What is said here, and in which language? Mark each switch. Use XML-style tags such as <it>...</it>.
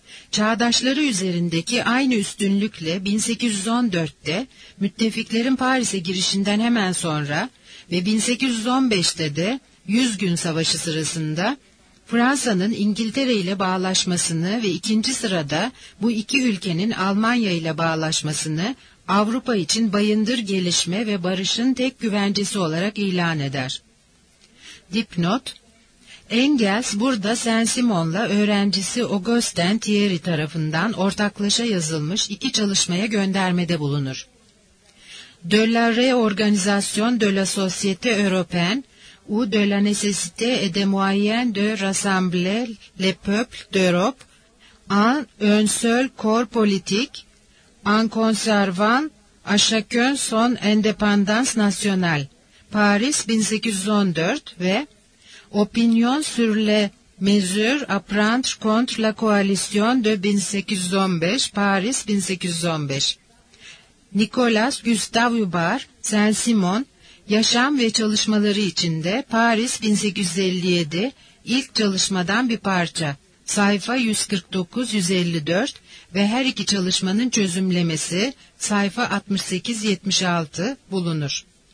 <tr>Çağdaşları üzerindeki aynı üstünlükle 1814'te müttefiklerin Paris'e girişinden hemen sonra ve 1815'te de 100 gün savaşı sırasında Fransa'nın İngiltere ile bağlaşmasını ve ikinci sırada bu iki ülkenin Almanya ile bağlaşmasını Avrupa için bayındır gelişme ve barışın tek güvencesi olarak ilan eder. Dipnot: Engels burada Saint-Simon'la öğrencisi Augustin Thierry tarafından ortaklaşa yazılmış iki çalışmaya göndermede bulunur.</tr> <fr>De la réorganisation de la société européenne ou de la nécessité et des moyens de rassembler les peuples d'Europe en un seul corps politique en conservant à chacun son indépendance nationale. Paris 1814 ve Opinion sur les mesures à prendre contre la coalition de 1815, Paris 1815.</fr> <tr>Nicolas Gustave Hubert, Saint-Simon, yaşam ve çalışmaları içinde Paris 1857, ilk çalışmadan bir parça, sayfa 149-154 ve her iki çalışmanın çözümlemesi, sayfa 68-76 bulunur.</tr>